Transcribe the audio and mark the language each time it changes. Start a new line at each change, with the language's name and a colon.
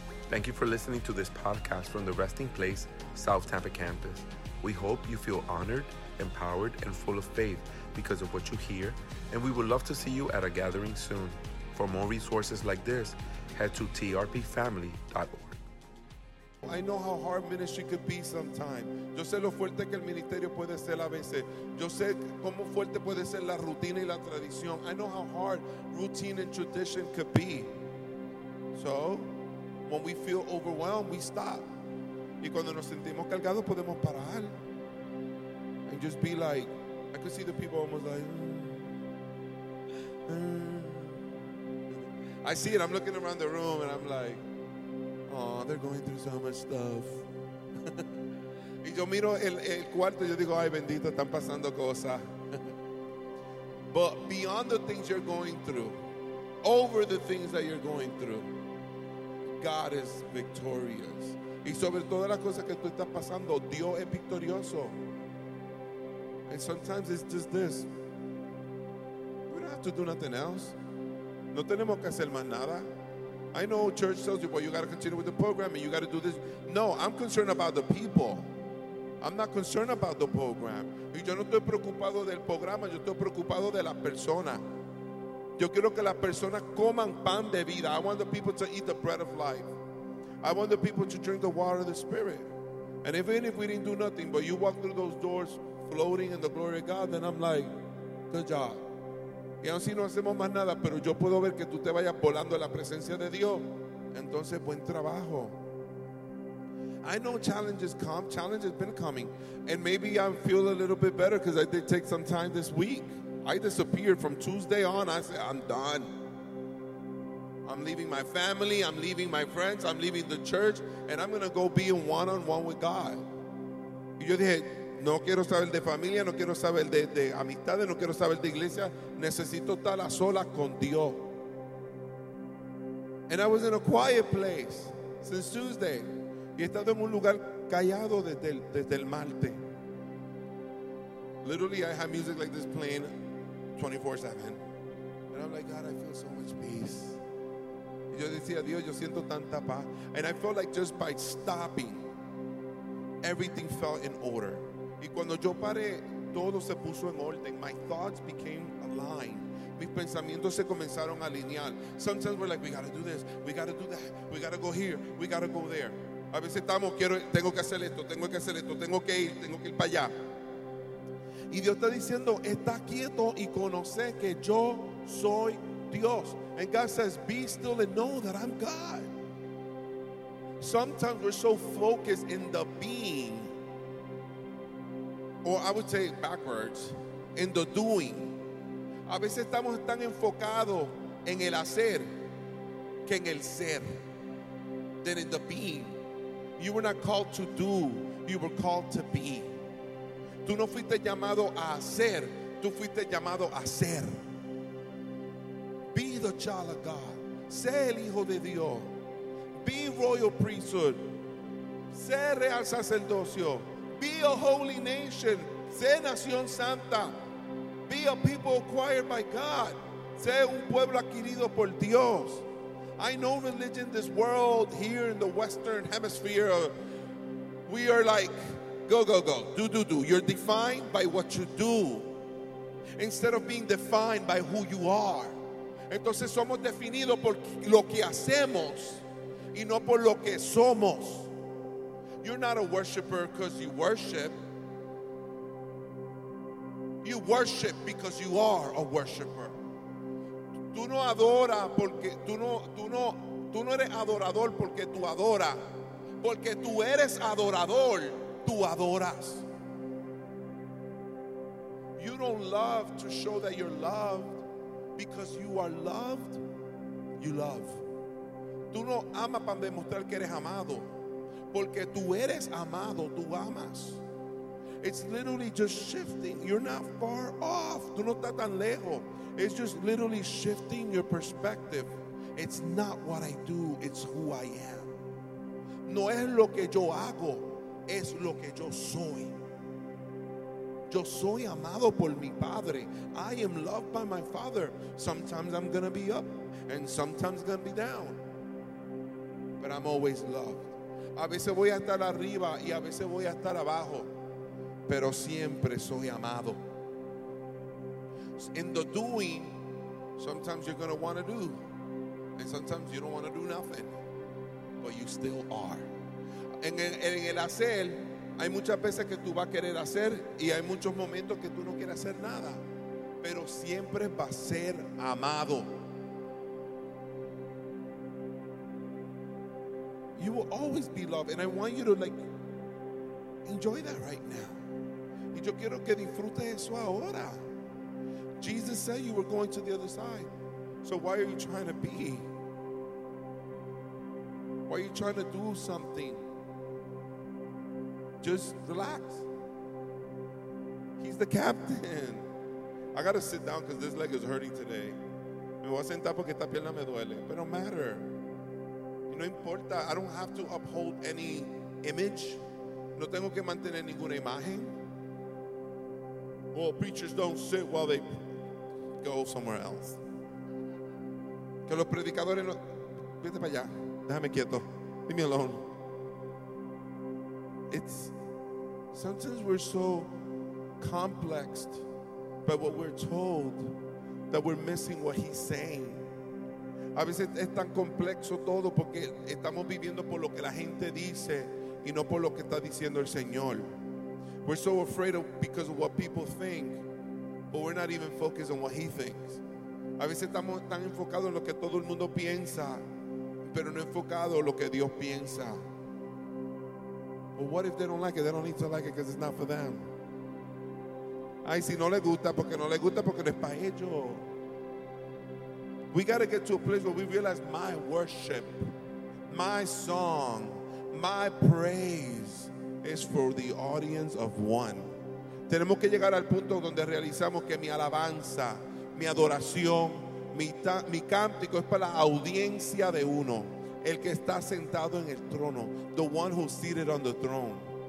English: Thank you for listening to this podcast from the Resting Place South Tampa campus. We hope you feel honored, empowered, and full of faith because of what you hear, and we would love to see you at a gathering soon. For more resources like this, head to trpfamily.org. I know how hard ministry could be sometimes.
Spanish: Yo sé lo fuerte que el ministerio puede ser a veces. Yo sé cómo fuerte puede ser la rutina y la tradición.
English: I know how hard routine and tradition could be. So, when we feel overwhelmed, we stop.
Spanish: Y cuando nos sentimos cargados, podemos parar.
English: And just be like, I could see the people almost like, I see it, I'm looking around the room and I'm like, oh, they're going through so much stuff.
Spanish: Y yo miro el cuarto y yo digo, ay, bendito, están pasando cosas.
English: But beyond the things you're going through, over the things that you're going through, God is victorious.
Spanish: Y sobre todas las cosas que tú estás pasando, Dios es victorioso.
English: And sometimes it's just this. We don't have to do nothing else.
Spanish: No tenemos que hacer más nada.
English: I know church tells you, well, you got to continue with the program and you got to do this. No, I'm concerned about the people. I'm not concerned about the program.
Spanish: Y yo no estoy preocupado del programa, yo estoy preocupado de las personas. Yo quiero que las personas coman pan de vida.
English: I want the people to eat the bread of life. I want the people to drink the water of the Spirit. And even if we didn't do nothing, but you walk through those doors floating in the glory of God, then I'm like, good job.
Spanish: Y aun si no hacemos más nada, pero yo puedo ver que tú te vayas volando a la presencia de Dios. Entonces, buen trabajo.
English: I know challenges come. Challenges have been coming. And maybe I feel a little bit better because I did take some time this week. I disappeared from Tuesday on. I said, I'm done. I'm leaving my family. I'm leaving my friends. I'm leaving the church. And I'm going to go be in one-on-one with God.
Spanish: Y yo dije, no quiero saber de familia, no quiero saber de amistades, no quiero saber de iglesia. Necesito estar a solas con Dios.
English: And I was in a quiet place since Tuesday.
Spanish: Y he estado en un lugar callado desde el martes.
English: Literally, I had music like this playing 24/7. And I'm like, God, I feel so much peace.
Spanish: Y yo decía, Dios, yo siento tanta paz.
English: And I felt like just by stopping, everything felt in order.
Spanish: Y cuando yo paré, todo se puso en orden.
English: My thoughts became aligned.
Spanish: Mis pensamientos se comenzaron a alinear.
English: Sometimes we're like, we gotta do this, we gotta do that, we gotta go here, we gotta go there.
Spanish: A veces estamos, tengo que hacer esto, tengo que hacer esto, tengo que ir para allá. Y Dios está diciendo, está quieto y conoce que yo soy Dios.
English: And God says, be still and know that I'm God. Sometimes we're so focused in the being. Or I would say backwards, in the doing.
Spanish: A veces estamos tan enfocados en el hacer que en el ser.
English: Then in the being. You were not called to do, you were called to be.
Spanish: Tú no fuiste llamado a hacer, tú fuiste llamado a ser.
English: Be the child of God.
Spanish: Sé el hijo de Dios.
English: Be royal priesthood.
Spanish: Sé real sacerdocio.
English: Be a holy nation.
Spanish: Sé nación santa.
English: Be a people acquired by God.
Spanish: Sé un pueblo adquirido por Dios.
English: I know religion, this world here in the Western Hemisphere, we are like, go, go, go. Do, do, do. You're defined by what you do instead of being defined by who you are.
Spanish: Entonces somos definidos por lo que hacemos y no por lo que somos.
English: You're not a worshiper because you worship. You worship because you are a worshiper.
Spanish: Tú no adoras porque tú no eres adorador porque tú adoras. Porque tú eres adorador, tú adoras.
English: You don't love to show that you're loved because you are loved, you love.
Spanish: Tú no amas para demostrar que eres amado. Porque tú eres amado, tú amas.
English: It's literally just shifting. You're not far off.
Spanish: Tú no estás tan lejos.
English: It's just literally shifting your perspective. It's not what I do. It's who I am.
Spanish: No es lo que yo hago. Es lo que yo soy. Yo soy amado por mi padre.
English: I am loved by my father. Sometimes I'm going to be up. And sometimes I'm going to be down. but I'm always loved.
Spanish: A veces voy a estar arriba y a veces voy a estar abajo, pero siempre soy amado.
English: In the doing, sometimes you're going to want to do, and sometimes you don't want to do nothing, but you still are.
Spanish: En el hacer, hay muchas veces que tú vas a querer hacer y hay muchos momentos que tú no quieres hacer nada, pero siempre va a ser amado.
English: You will always be loved, and I want you to like enjoy that right now.
Spanish: Y yo quiero que disfrutes eso ahora.
English: Jesus said you were going to the other side. So why are you trying to be? Why are you trying to do something? Just relax. He's the captain. I gotta sit down because this leg is hurting today.
Spanish: Me voy a sentar porque esta pierna me duele.
English: But it don't matter.
Spanish: No importa.
English: I don't have to uphold any image.
Spanish: No tengo que mantener ninguna imagen.
English: Well, preachers don't sit while they go somewhere else.
Spanish: Que los predicadores no. Vete para allá. Déjame quieto.
English: Leave me alone. It's. Sometimes we're so complexed by what we're told that we're missing what he's saying.
Spanish: A veces es tan complejo todo porque estamos viviendo por lo que la gente dice y no por lo que está diciendo el Señor.
English: We're so afraid of because of what people think, but we're not even focused on what he thinks.
Spanish: A veces estamos tan enfocados en lo que todo el mundo piensa, pero no enfocados en lo que Dios piensa.
English: But what if they don't like it? They don't need to like it because it's not for them.
Spanish: Ay, si no le gusta, porque no le gusta, porque no es para ellos.
English: We got to get to a place where we realize my worship, my song, my praise is for the audience of one.
Spanish: Tenemos que llegar al punto donde realizamos que mi alabanza, mi adoración, mi cántico es para la audiencia de uno, el que está sentado en el trono,
English: the one who's seated on the throne.